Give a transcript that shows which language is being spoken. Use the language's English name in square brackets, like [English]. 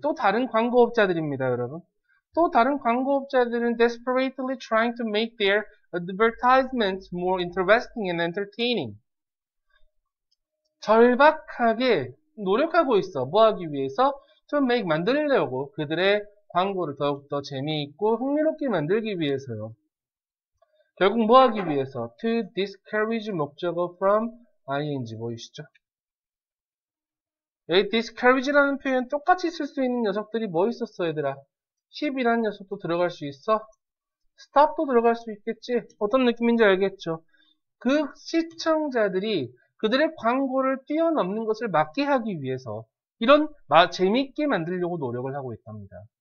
[Korean] 또 다른 광고업자들입니다, 여러분. 또 다른 광고업자들은 [English] desperately trying to make their advertisements more interesting and entertaining. [Korean] 절박하게 노력하고 있어. 뭐 하기 위해서? [English] To make [Korean] 만들려고. 그들의 광고를 더욱더 재미있고 흥미롭게 만들기 위해서요. 결국 뭐 하기 위해서? [English] To discourage 목적어 from ing. [Korean] 보이시죠? 여기 discourage라는 표현 똑같이 쓸수 있는 녀석들이 뭐 있었어, 얘들아? keep이라는 녀석도 들어갈 수 있어. stop도 들어갈 수 있겠지. 어떤 느낌인지 알겠죠. 그 시청자들이 그들의 광고를 뛰어넘는 것을 막게 하기 위해서 이런 재밌게 만들려고 노력을 하고 있답니다.